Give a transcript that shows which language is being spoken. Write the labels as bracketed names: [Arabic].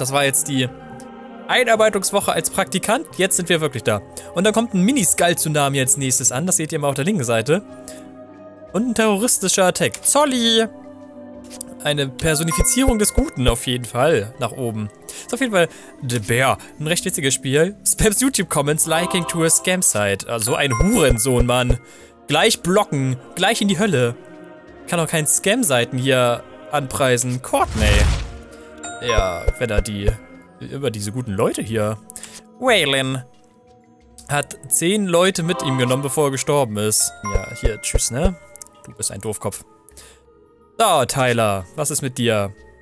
[German] Das war jetzt die Einarbeitungswoche als Praktikant. Jetzt sind wir wirklich da. Und dann kommt ein Mini-Skull-Tsunami als nächstes an. Das seht ihr mal auf der linken Seite. Und ein terroristischer Attack. Zolli! Eine Personifizierung des Guten auf jeden Fall nach oben. Ist auf jeden Fall The Bear. Ein recht witziges Spiel. [English] Spams YouTube-Comments liking to a scam-site. [German] So ein Hurensohn, Mann. Gleich blocken. Gleich in die Hölle. Kann auch keinen Scam-Seiten hier anpreisen. Courtney. Ja, wenn er die... Über diese guten Leute hier. Waylon. Hat 10 Leute mit ihm genommen, bevor er gestorben ist. Ja, hier, tschüss, ne? Du bist ein Doofkopf. So, Tyler, was ist mit dir?